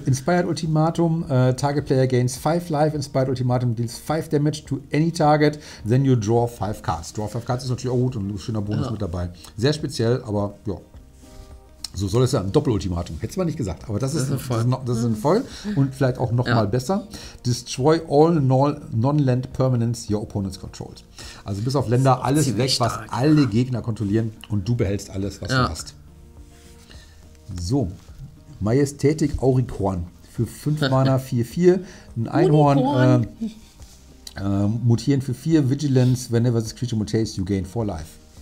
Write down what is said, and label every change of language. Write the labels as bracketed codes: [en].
[en] Inspired Ultimatum, Target Player gains 5 life, Inspired Ultimatum deals 5 damage to any target, then you draw 5 cards. Draw 5 cards [de] ist natürlich auch gut und ein schöner Bonus mit dabei. Sehr speziell, aber ja. So soll es ja ein Doppel-Ultimatum. Hätte es mal nicht gesagt, aber das ist ein Voll und vielleicht auch nochmal besser. [en] Destroy all non-land permanents your opponents controlled. [de] Also bis auf Länder alles weg, stark, was alle Gegner kontrollieren und du behältst alles, was du hast. So, Majestätik Auricorn für 5 Mana 4-4. Ein Einhorn Mutieren für 4 [en] Vigilance. Whenever this creature mutates, you gain 4 life.